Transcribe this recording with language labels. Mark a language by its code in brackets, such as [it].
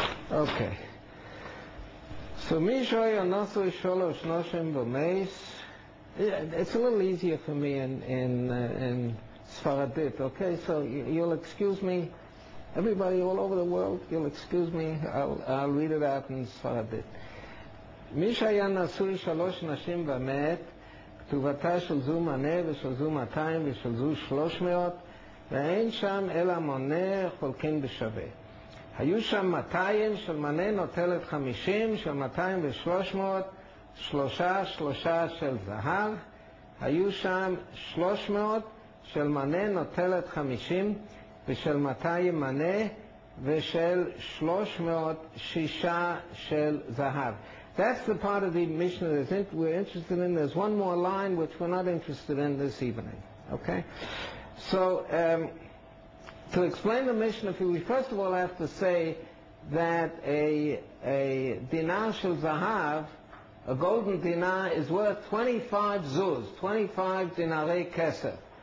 [he] Okay. So Mishoy Anasu Sholosh Noshim Bameis. [en] It's a little easier for me in Sfaradit. Okay, so you'll excuse me. Everybody all over the world, you'll excuse me, I'll read it out in Sfaradit. [he] מי שהיה נשוי שלוש נשים ומת, כתובתה של זו מנה ושל זו 200 ושל זו 300, ואין שם אלא מונה חולקין בשווה. היו שם 200 של מנה נוטלת 50, של 200 ו-300, שלושה של זהב, היו שם 300 של מנה נוטלת 50, ושל 200 מנה ושל 300 שישה של זהב. [en] That's the part of the Mishnah that we're interested in. There's one more line which we're not interested in this evening. Okay? So, to explain the Mishnah, we first of all have to say that a dinar shel zahav, a golden dinar, is worth 25 zuz, 25 dinarei keser.